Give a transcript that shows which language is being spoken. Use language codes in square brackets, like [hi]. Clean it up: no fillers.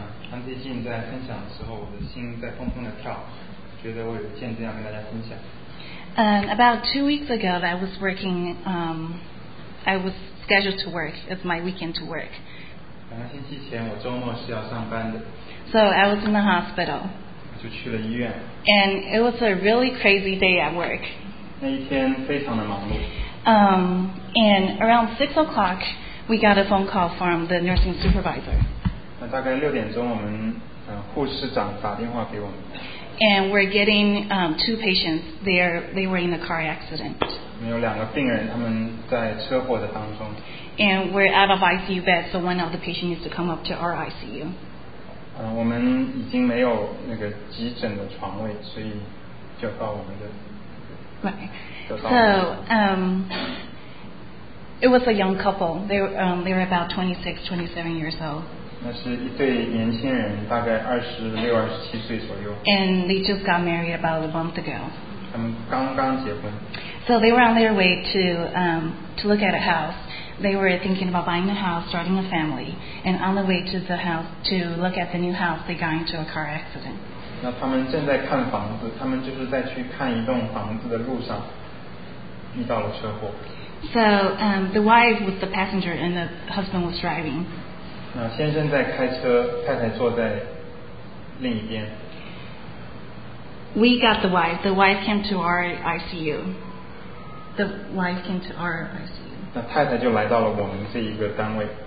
[zh] 当最近在分享的时候，我的心在砰砰的跳，觉得我有见证要跟大家分享。 [en] About 2 weeks ago, I was working. I was scheduled to work. It's my weekend to work. [zh] 两个星期前，我周末是要上班的。 [en] So I was in the hospital. [zh] 就去了医院。 [en] And it was a really crazy day at work. [zh] 那一天非常的忙碌。 [en] And around 6 o'clock, we got a phone call from the nursing supervisor. [zh] 那大概6点钟，我们护士长打电话给我们。 [en] And we're getting two patients. They were in a car accident. [zh] 有两个病人，他们在车祸的当中。 [en] And we're out of ICU beds, so one of the patients needs to come up to our ICU. [zh] 我们已经没有那个急诊的床位，所以就到我们的。 [en] Right. So, it was a young couple. They were about 26, 27 years old. [zh] 那是一对年轻人，大概26、27岁左右。 [en] And they just got married about a month ago. [zh] 他们刚刚结婚。 [en] So they were on their way to look at a house. They were thinking about buying a house, starting a family, and on the way to the house to look at the new house, they got into a car accident. [zh] 那他们正在看房子，他们就是在去看一栋房子的路上遇到了车祸。 [en] So, the wife was the passenger and the husband was driving. [zh] 那先生在开车，太太坐在另一边。 [en] We got the wife. The wife came to our ICU. The wife came to our ICU. [zh] 那太太就来到了我们这一个单位。